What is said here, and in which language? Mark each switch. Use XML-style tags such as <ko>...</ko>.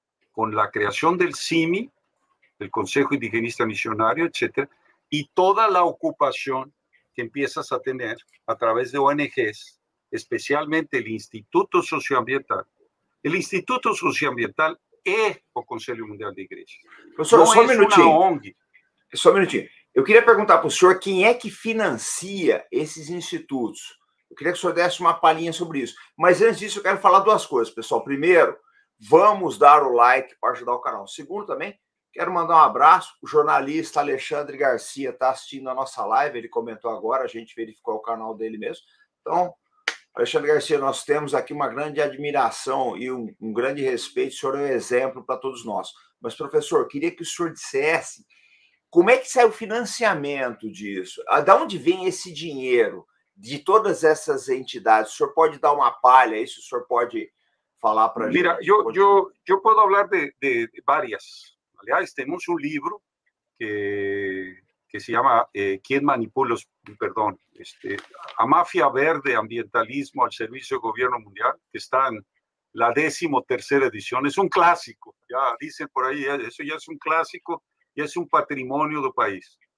<es>Con la creación del CIMI, el Consejo Indigenista Misionario, etc., y toda la ocupación que empiezas a tener a través de ONGs, especialmente el Instituto Socioambiental. El Instituto Socioambiental es el Consejo Mundial de Iglesias.</es> <pt>Professor, só um minutinho. Uma ONG. Só um minutinho. Eu queria perguntar para o senhor quem é que financia esses institutos. Eu queria que o senhor desse uma palhinha sobre isso. Mas antes disso, eu quero falar duas coisas, pessoal. Primeiro, vamos dar o like para ajudar o canal. Segundo também, quero mandar um abraço. O jornalista Alexandre Garcia está assistindo a nossa live. Ele comentou agora, a gente verificou o canal dele mesmo. Então, Alexandre Garcia, nós temos aqui uma grande admiração e um grande respeito. O senhor é um exemplo para todos nós. Mas, professor, queria que o senhor dissesse como é que sai o financiamento disso? Da onde vem esse dinheiro de todas essas entidades? O senhor pode dar uma palha aí, se o senhor pode falar para a gente? Mira, eu posso falar de várias. Aliás,</pt> <es>tenemos un libro que se llama ¿Quién manipula los...? Perdón, A Mafia Verde, Ambientalismo al Servicio del Gobierno Mundial, que está en la 13ª edición. Es un clásico, ya dicen por ahí, eso ya es un clásico, y es un patrimonio del país.</es>